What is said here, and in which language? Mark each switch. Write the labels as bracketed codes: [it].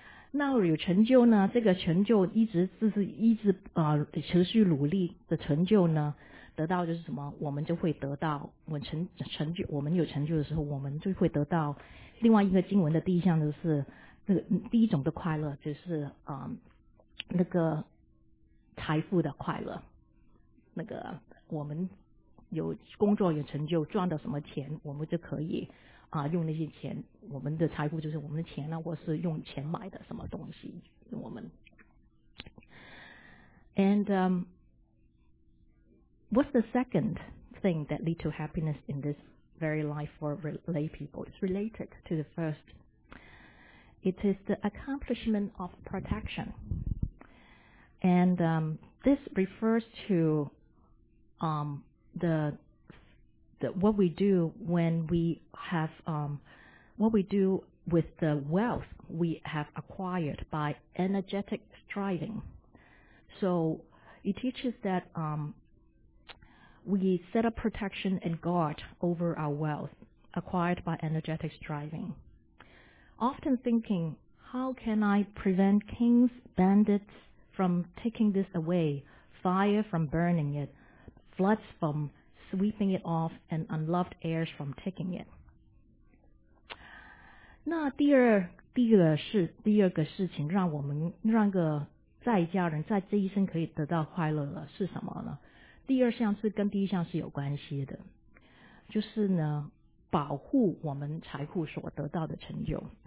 [zh] 那有成就呢，这个成就一直持续努力的成就呢，得到就是什么，我们就会得到我们有成就的时候，我们就会得到另外一个经文的第一项，就是那个第一种的快乐，就是那个财富的快乐。那个我们有工作有成就，赚到什么钱，我们就可以用那些钱，我们的财富就是我们的钱，或是用钱买的什么东西，我们。 [en] And what's the second thing that lead to happiness in this very life for lay people? It's related to the first. It is the accomplishment of protection. And this refers to what we do when we have what we do with the wealth we have acquired by energetic striving. So it teaches that we set up protection and guard over our wealth acquired by energetic striving, often thinking, how can I prevent kings, bandits from taking this away, fire from burning it, floods from sweeping it off, and unloved heirs from taking it. [zh] 那第二个事情，让个在家人在这一生可以得到快乐了，是什么呢？第二项是跟第一项是有关系的，就是呢，保护我们财富所得到的成就。